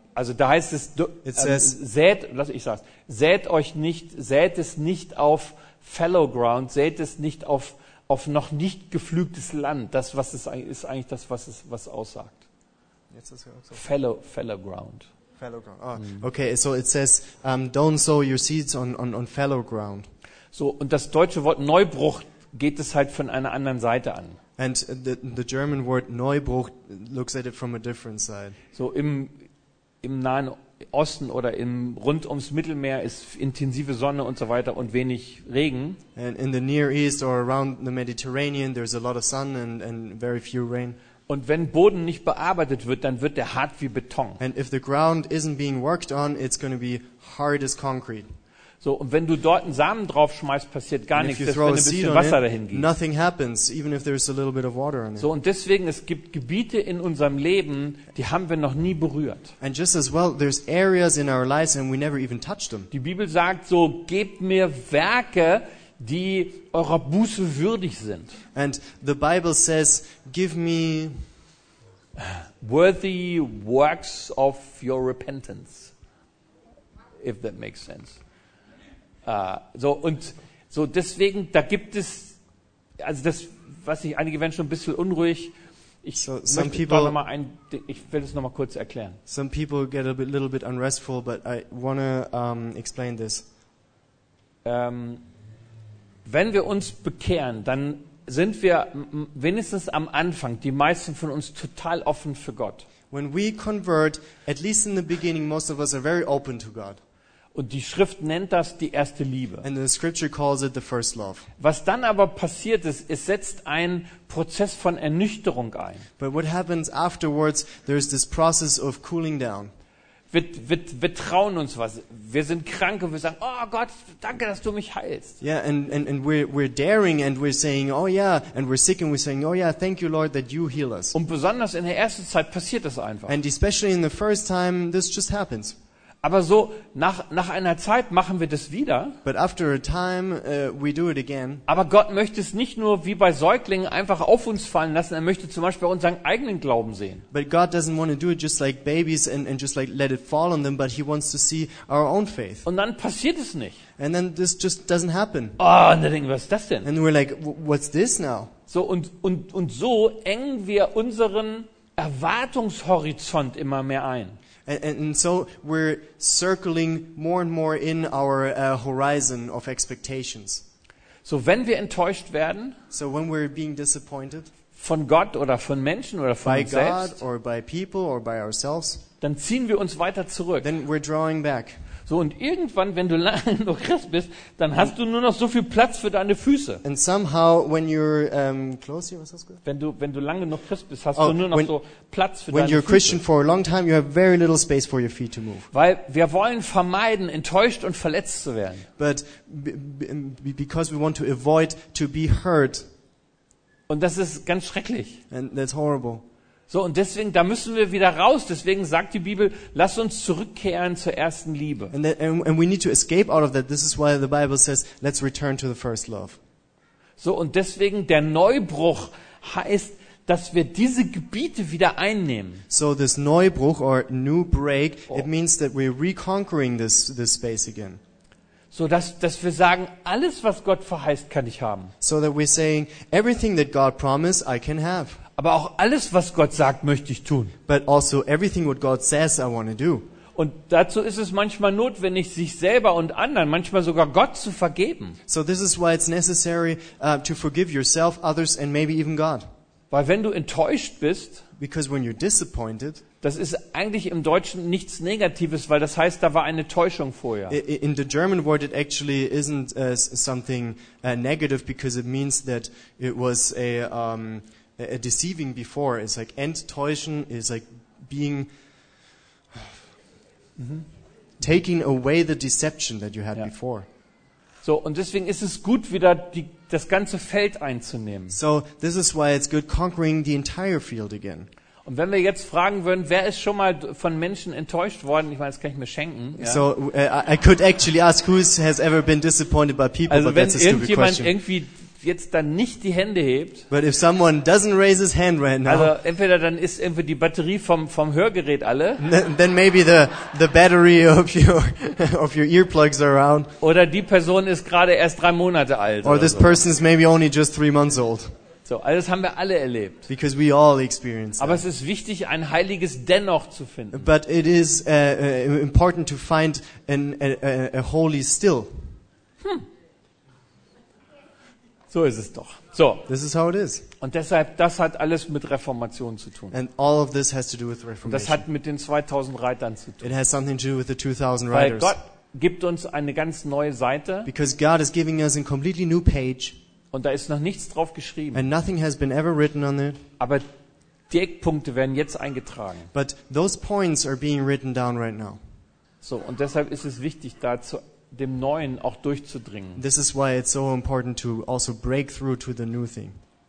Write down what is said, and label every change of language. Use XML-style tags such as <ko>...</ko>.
<de>Also da heißt es, sät es nicht auf</de> <en>fallow ground,</en> <de>sät es nicht auf noch nicht gepflügtes Land. Das, was es ist eigentlich das, was aussagt. Jetzt ist es auch so.</de> <en>Fallow ground. Fallow ground. Oh, okay, so it says, don't sow your seeds on fallow ground.</en> <de>So, und das deutsche Wort Neubruch geht es halt von einer anderen Seite an.</de> <en>And the German word Neubruch looks at it from a different side.</en> <de>So im Nahen Osten oder rund ums Mittelmeer ist intensive Sonne und so weiter und wenig Regen.</de> <en>And in the Near East or around the Mediterranean there's a lot of sun and very few rain.</en> <de>Und wenn Boden nicht bearbeitet wird, dann wird der hart wie Beton.</de> <en>And if the ground isn't being worked on, it's going to be hard as concrete.</en> <de>So, und wenn du dort einen Samen drauf schmeißt, passiert gar nichts, wenn ein bisschen Wasser dahin geht.</de> <en>Nothing happens, even if there's a little bit of water on it.</en> <de>So, und deswegen, es gibt Gebiete in unserem Leben, die haben wir noch nie berührt.</de> <en>And just as well, there's areas in our lives and we never even touched them.</en> <de>Die Bibel sagt so, gebt mir Werke, die eurer Buße würdig sind.</de> <en>And the Bible says, give me worthy works of your repentance. If that makes sense.</en> <de>So deswegen, da gibt es, also das, was ich, einige werden schon ein bisschen unruhig. Ich will das nochmal kurz erklären.</de> <en>Some people get a little bit unrestful, but I want to explain this.</en> <de>Wenn wir uns bekehren, dann sind wir wenigstens am Anfang, die meisten von uns, total offen für Gott.</de> <en>When we convert, at least in the beginning, most of us are very open to God.</en> <de>Und die Schrift nennt das die erste Liebe.</de> <en>And the scripture calls it the first love.</en> <de>Was dann aber passiert ist, es setzt ein Prozess von Ernüchterung ein.</de> <en>But what happens afterwards, there's this process of cooling down.</en> <de>Wir trauen uns was. Wir sind krank und wir sagen, oh Gott, danke, dass du mich heilst.</de> <en>Yeah, and we're daring and we're saying, oh yeah, and we're sick and we're saying, oh yeah, thank you Lord that you heal us.</en> <de>Und besonders in der ersten Zeit passiert das einfach.</de> <en>And especially in the first time, this just happens.</en> <de>Aber so nach einer Zeit machen wir das wieder.</de> <en>But after a time, we do it again.</en> <de>Aber Gott möchte es nicht nur wie bei Säuglingen einfach auf uns fallen lassen. Er möchte zum Beispiel unseren eigenen Glauben sehen.</de> <en>But God doesn't want to do it just like babies and just like let it fall on them. But He wants to see our own faith.</en> <de>Und dann passiert es nicht.</de> <en>And then this just doesn't happen.</en> <de>Oh, und dann denken wir, was ist das denn?</de> <en>And we're like, what's this now?</en> <de>So und so engen wir unseren Erwartungshorizont immer mehr ein.</de> <en>And so we're circling more and more in our horizon of expectations.</en> <de>So wenn wir enttäuscht werden,</de> <en>so when we're being disappointed,</en> <de>von Gott oder von Menschen oder von uns selbst,</de> <en>by God or by people or by ourselves,</en> <de>dann ziehen wir uns weiter zurück.</de> <en>Then we're drawing back.</en> <de>So und irgendwann, wenn du lange noch Christ bist, dann hast du nur noch so viel Platz für deine Füße.</de> <en>And somehow when you're close here,</en> <de>was hast du gesagt? Wenn du lange noch Christ bist, hast du nur noch so Platz für deine Füße.</de> <en>When you're Christian for a long time, you have very little space for your feet to move.</en> <de>Weil wir wollen vermeiden, enttäuscht und verletzt zu werden.</de> <en>But because we want to avoid to be hurt.</en> <de>Und das ist ganz schrecklich.</de> <en>And that's horrible.</en> <de>So, und deswegen, da müssen wir wieder raus. Deswegen sagt die Bibel, lass uns zurückkehren zur ersten Liebe.</de> <en>And we need to escape out of that. This is why the Bible says, let's return to the first love.</en> <de>So, und deswegen, der Neubruch heißt, dass wir diese Gebiete wieder einnehmen.</de> <en>So, this Neubruch or new break, it means that we're reconquering this space again.</en> <de>So, dass wir sagen, alles, was Gott verheißt, kann ich haben.</de> <en>So that we're saying, everything that God promised, I can have.</en> <de>Aber auch alles, was Gott sagt, möchte ich tun.</de> <en>But also everything what God says, I want to do.</en> <de>Und dazu ist es manchmal notwendig, sich selber und anderen, manchmal sogar Gott, zu vergeben.</de> <en>So this is why it's necessary to forgive yourself, others and maybe even God.</en> <de>Weil wenn du enttäuscht bist,</de> <en>because when you're disappointed,</en> <de>das ist eigentlich im Deutschen nichts Negatives, weil das heißt, da war eine Täuschung vorher.</de> <en>In the German word it actually isn't something negative because it means that it was a deceiving before. It's like enttäuschen is like being taking away the deception that you had before.</en> <de>So, und deswegen ist es gut, wieder das ganze Feld einzunehmen.</de> <en>So this is why it's good conquering the entire field again.</en> <de>Und wenn wir jetzt fragen würden, wer ist schon mal von Menschen enttäuscht worden? Ich meine, das kann ich mir schenken. Ja.</de> <en>So I could actually ask who has ever been disappointed by people,</en> <de>also,</de> <en>but that's a stupid question.</en> <de>Also wenn irgendjemand irgendwie jetzt dann nicht die Hände hebt.</de> <en>But if someone doesn't raise his hand right now.</en> <de>Also entweder dann ist irgendwie die Batterie vom Hörgerät alle.</de> <en>Then maybe the battery of your earplugs are around.</en> <de>Oder die Person ist gerade erst 3 Monate alt.</de> <en>Or this person is maybe only just 3 months old.</en> <de>So, also das haben wir alle erlebt.</de> <en>Because we all experienced.</en> <de>Aber es ist wichtig, ein heiliges Dennoch zu finden.</de> <en>But it is important to find a holy still.</en> <de>So ist es doch. So.</de> <en>This is how it is.</en> <de>Und deshalb, das hat alles mit Reformation zu tun.</de> <en>And all of this has to do with Reformation.</en> <de>Das hat mit den 2000 Reitern zu tun.</de> <en>It has something to do with the 2000 Riders.</en> <de>Weil Gott gibt uns eine ganz neue Seite.</de> <en>Because God is giving us a completely new page.</en> <de>Und da ist noch nichts drauf geschrieben.</de> <en>And nothing has been ever written on it.</en> <de>Aber die Eckpunkte werden jetzt eingetragen.</de> <en>But those points are being written down right now.</en> <de>So, und deshalb ist es wichtig, dem Neuen auch durchzudringen.</de> <en>This is why it's so important to also break through to the new thing.</en>